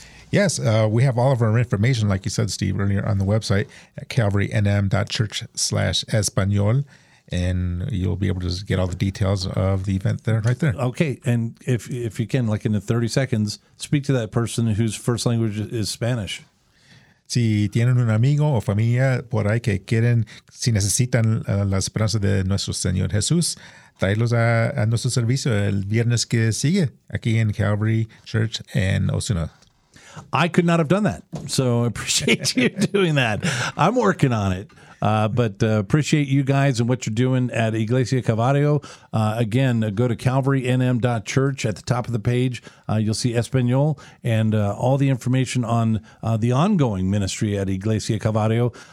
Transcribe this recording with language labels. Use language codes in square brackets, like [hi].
[en] Yes, we have all of our information, like you said, Steve, earlier on the website at calvarynm.church/Espanol. And you'll be able to get all the details of the event there, right there. Okay, and if you can, like in the 30 seconds, speak to that person whose first language is Spanish. [es] Si tienen un amigo o familia por ahí que quieren, si necesitan la esperanza de nuestro Señor Jesús, tráelos a nuestro servicio el viernes que sigue aquí en Calvary Church en Osuna. [en] I could not have done that, so I appreciate you doing that. I'm working on it. But appreciate you guys and what you're doing at Iglesia Calvario. Again, go to calvarynm.church. At the top of the page, you'll see Espanol and all the information on the ongoing ministry at Iglesia Calvario.